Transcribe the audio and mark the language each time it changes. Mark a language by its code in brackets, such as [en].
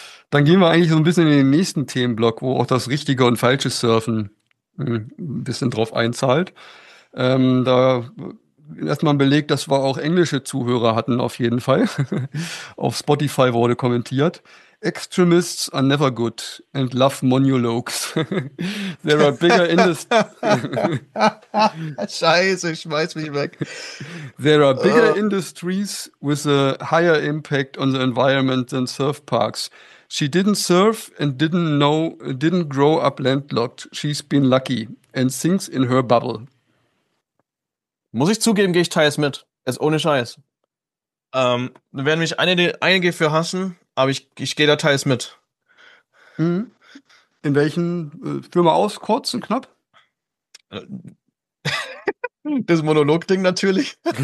[de] Dann gehen wir eigentlich so ein bisschen in den nächsten Themenblock, wo auch das richtige und falsche Surfen ein bisschen drauf einzahlt. Da erstmal belegt, dass wir auch englische Zuhörer hatten, auf jeden Fall. Auf Spotify wurde kommentiert. [en] Extremists are never good and love monologues. There are bigger industries. [de] Scheiße, schmeiß mich weg. [en] There are bigger industries with a higher impact on the environment than surf parks. She didn't surf and didn't grow up landlocked. She's been lucky and sings in her bubble. [de] Muss ich zugeben, gehe ich teils mit. Ist ohne Scheiß. Werden mich einige für hassen. Aber ich gehe da teils mit. In welchen? Führ mal aus, kurz und knapp. Das Monolog-Ding natürlich.